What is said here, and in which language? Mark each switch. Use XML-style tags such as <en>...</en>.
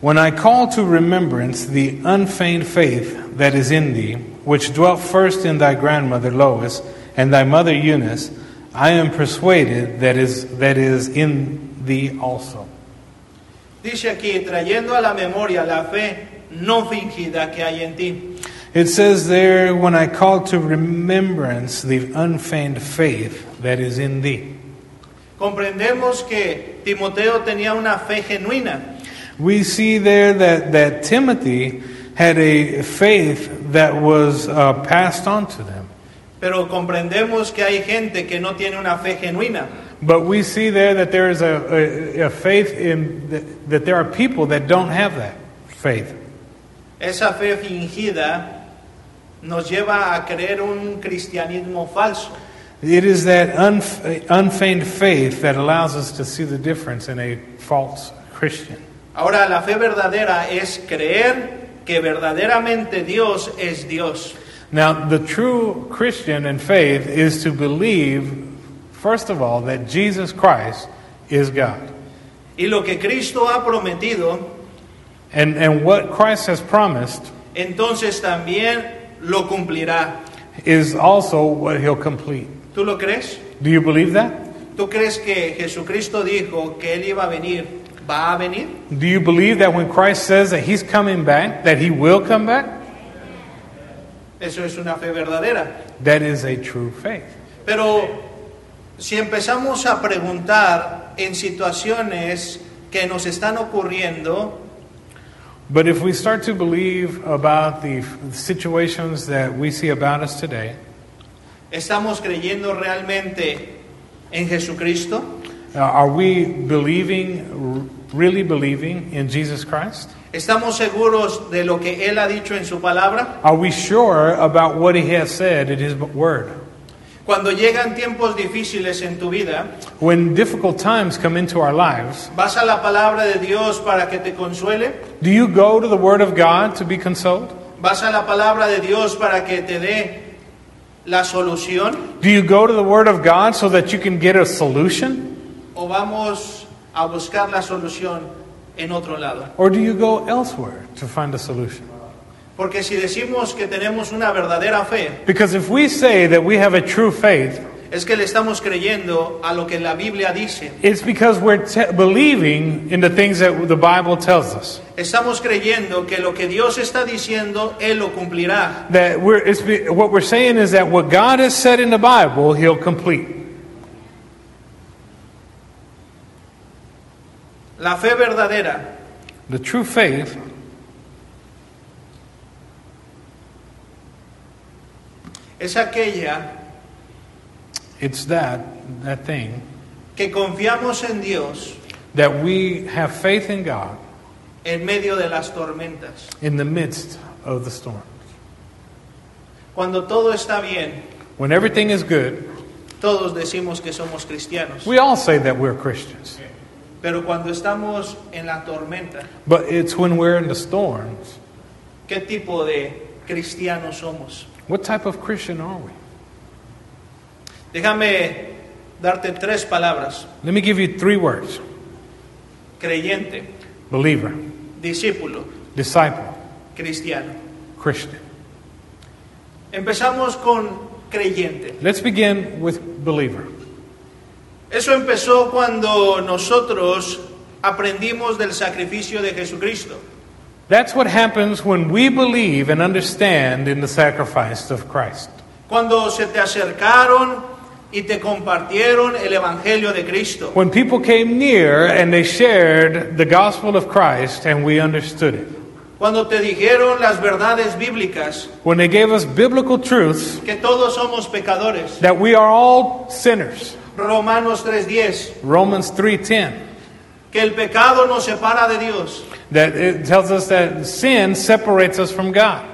<en>When I call to remembrance the unfeigned faith that is in thee, which dwelt first in thy grandmother Lois and thy mother Eunice, I am persuaded that is in thee also.</en> <es>Dice aquí, trayendo a la memoria la fe no fingida que hay en ti.</es> <en>It says there, when I call to remembrance the unfeigned faith that is in thee.</en> <es>Comprendemos que Timoteo tenía una fe genuina.</es> <en>We see there that Timothy had a faith that was passed on to them.</en> <es>Pero comprendemos que hay gente que no tiene una fe genuina.</es> <en>But we see there that there is a faith in that there are people that don't have that faith.</en> <es>Esa fe fingida nos lleva a creer un cristianismo falso.</es> <en>It is that unfeigned faith that allows us to see the difference in a false Christian.</en> <es>Ahora, la fe verdadera es creer que verdaderamente Dios es Dios.</es> <en>Now, the true Christian and faith is to believe, first of all, that Jesus Christ is God.</en> <es>Y lo que Cristo ha prometido,</es> <en>and what Christ has promised,</en> <es>entonces también lo cumplirá.</es> <en>Is also what he'll complete.</en> <es>¿Tú lo crees?</es> <en>Do you believe that?</en> <es>¿Tú crees que Jesucristo dijo que él iba a venir, va a venir?</es> <en>Do you believe that when Christ says that he's coming back, that he will come back?</en> <es>Eso es una fe verdadera.</es> <en>That is a true faith.</en> <es>Pero si empezamos a preguntar en situaciones que nos están ocurriendo,</es> <en>but if we start to believe about the situations that we see about us today,</en> <es>¿estamos creyendo realmente en Jesucristo?</es> <en>Are we believing, really believing in Jesus Christ?</en> <es>¿Estamos seguros de lo que Él ha dicho en su palabra?</es> <en>Are we sure about what He has said in His word?</en> <es>Cuando llegan tiempos difíciles en tu vida,</es> <en>when difficult times come into our lives,</en> <es>¿vas a la palabra de Dios para que te consuele?</es> <en>Do you go to the word of God to be consoled?</en> <es>¿Vas a la palabra de Dios para que te dé la solución?</es> <en>Do you go to the word of God so that you can get a solution?</en> <es>¿O vamos a buscar la solución en otro lado?</es> <en>Or do you go elsewhere to find a solution?</en> <es>Porque si decimos que tenemos una verdadera fe,</es> <en>because if we say that we have a true faith,</en> <es>es que le estamos creyendo a lo que la Biblia dice.</es> <en>It's because we're believing in the things that the Bible tells us.</en> <es>Estamos creyendo que lo que Dios está diciendo, Él lo cumplirá.</es> <en>That what we're saying is that what God has said in the Bible, He'll complete.</en> <es>La fe verdadera.</es> <en>The true faith.</en> <es>Es aquella.</es> <en>It's that thing.</en> <es>Que confiamos en Dios.</es> <en>That we have faith in God.</en> <es>En medio de las tormentas.</es> <en>In the midst of the storms.</en> <es>Cuando todo está bien.</es> <en>When everything is good.</en> <es>Todos decimos que somos cristianos.</es> <en>We all say that we're Christians.</en> <es>Pero cuando estamos en la tormenta.</es> <en>But it's when we're in the storms.</en> <es>¿Qué tipo de cristianos somos?</es> <en>What type of Christian are we?</en> <es>Déjame darte tres palabras.</es> <en>Let me give you three words.</en> <es>Creyente.</es> <en>Believer.</en> <es>Discípulo.</es> <en>Disciple.</en> <es>Cristiano.</es> <en>Christian.</en> <es>Empezamos con creyente.</es> <en>Let's begin with believer.</en> <es>Eso empezó cuando nosotros aprendimos del sacrificio de Jesucristo.</es> <en>That's what happens when we believe and understand in the sacrifice of Christ.</en> <es>Cuando se te acercaron y te compartieron el evangelio de Cristo.</es> <en>When people came near and they shared the gospel of Christ and we understood it.</en> <es>Cuando te dijeron las verdades bíblicas.</es> <en>When they gave us biblical truths.</en> <es>Que todos somos pecadores.</es> <en>That we are all sinners.</en> <es>Romanos 3:10.</es> <en>Romans 3:10.</en> <es>Que el pecado nos separa de Dios.</es> <en>That it tells us that sin separates us from God.</en>